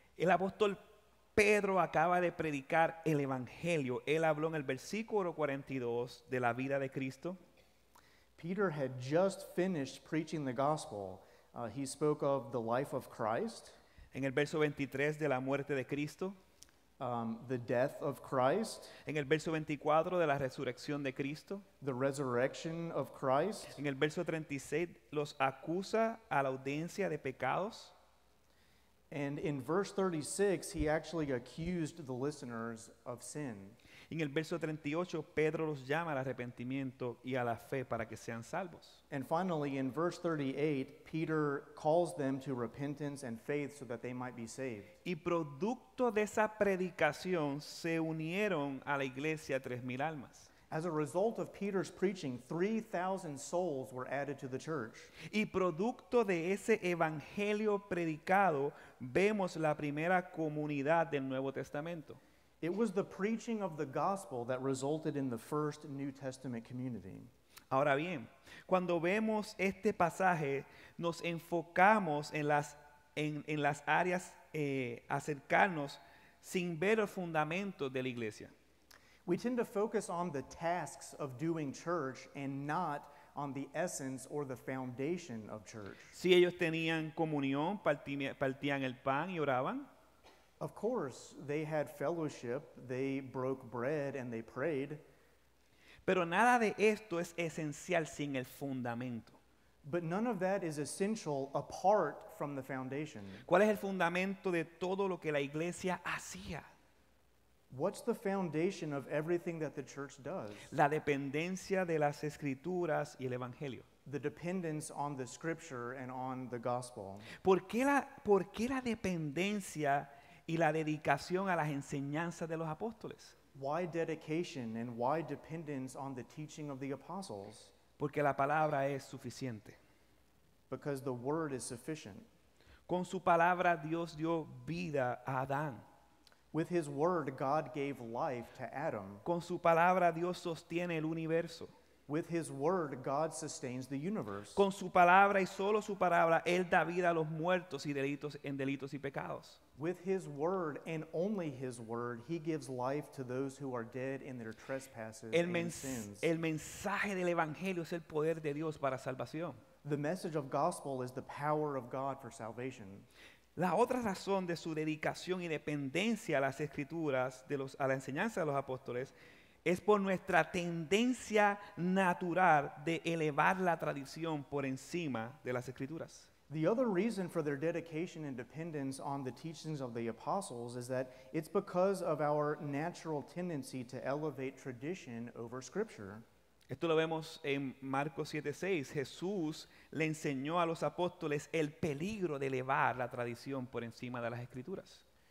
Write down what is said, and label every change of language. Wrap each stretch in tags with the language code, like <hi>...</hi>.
<es>El apóstol Pedro acaba de predicar el evangelio. Él habló en el versículo 42 de la vida de Cristo.</es> <en>Peter had just finished preaching the gospel. He spoke of the life of Christ.</en> <es>En el verso 23 de la muerte de Cristo.</es> <en>the death of Christ.</en> <es>En el verso 24 de la resurrección de Cristo.</es> <en>The resurrection of Christ.</en> <es>En el verso 36 los acusa a la audiencia de pecados.</es> <en>And in verse 36 he actually accused the listeners of sin.</en> <es>En el verso 38 Pedro los llama al arrepentimiento y a la fe para que sean salvos.</es> <en>And finally in verse 38 Peter calls them to repentance and faith so that they might be saved.</en> <es>Y producto de esa predicación se unieron a la iglesia 3000 almas.</es> <en>As a result of Peter's preaching, 3000 souls were added to the church.</en> <es>Y producto de ese evangelio predicado vemos la primera comunidad del Nuevo Testamento.</es> <en>It was the preaching of the gospel that resulted in the first New Testament community.</en> <es>Ahora bien, cuando vemos este pasaje, nos enfocamos en las áreas acercarnos sin ver el fundamento de la iglesia.</es> <en>We tend to focus on the tasks of doing church and not on the essence or the foundation of church.</en> <es>Si ellos tenían comunión, partían el pan y oraban.</es> <en>Of course, they had fellowship, they broke bread, and they prayed.</en> <es>Pero nada de esto es esencial sin el fundamento.</es> <en>But none of that is essential apart from the foundation.</en> <es>¿Cuál es el fundamento de todo lo que la iglesia hacía?</es> <en>What's the foundation of everything that the church does?</en> <es>La dependencia de las escrituras y el evangelio.</es> <en>The dependence on the scripture and on the gospel.</en> <es>¿Por qué la dependencia y la dedicación a las enseñanzas de los apóstoles?</es> <en>Why dedication and why dependence on the teaching of the apostles?</en> <es>Porque la palabra es suficiente.</es> <en>Because the word is sufficient.</en> <es>Con su palabra Dios dio vida a Adán.</es> <en>With his word, God gave life to Adam.</en> <es>Con su palabra Dios sostiene el universo.</es> <en>With his word, God sustains the universe.</en> <es>Con su palabra y solo su palabra, él da vida a los muertos y delitos y pecados.</es> <en>With his word and only his word, he gives life to those who are dead in their trespasses and sins.</en> <es>El mensaje del evangelio es el poder de Dios para salvación.</es> <en>The message of gospel is the power of God for salvation.</en> <es>La otra razón de su dedicación y dependencia a las escrituras, a la enseñanza de los apóstoles, es por nuestra tendencia natural de elevar la tradición por encima de las escrituras.</es> <en>The other reason for their dedication and dependence on the teachings of the apostles is that it's because of our natural tendency to elevate tradition over scripture.</en> <es>Esto lo vemos en Marcos 7:6. Jesús le enseñó a los apóstoles el peligro de elevar la tradición por encima de las escrituras.</es>